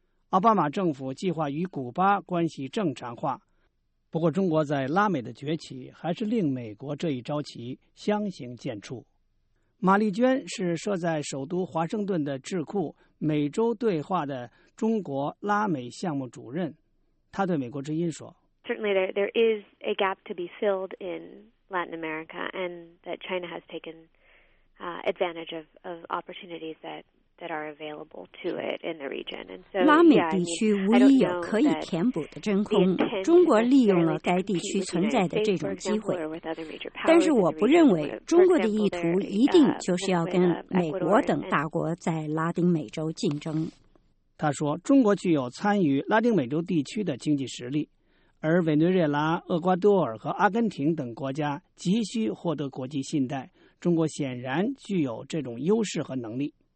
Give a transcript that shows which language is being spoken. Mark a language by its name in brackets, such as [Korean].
[Chinese] 奥巴马政府计划与古巴关系正常化，不过中国在拉美的崛起还是令美国这一招棋相形见绌。马丽娟是设在首都华盛顿的智库美洲对话的中国拉美项目主任，她对美国之音说 [English] ：“Certainly, there is a gap to be filled in Latin America, and that China has taken advantage of opportunities that are available to it in the region. And so, [Chinese] 拉美地区无疑有可以填补的真空，中国利用了该地区存在的这种机会。但是我不认为中国的意图一定就是要跟美国等大国在拉丁美洲竞争。他说，中国具有参与拉丁美洲地区的经济实力，而委内瑞拉、厄瓜多尔和阿根廷等国家急需获得国际信贷，中国显然具有这种优势和能力。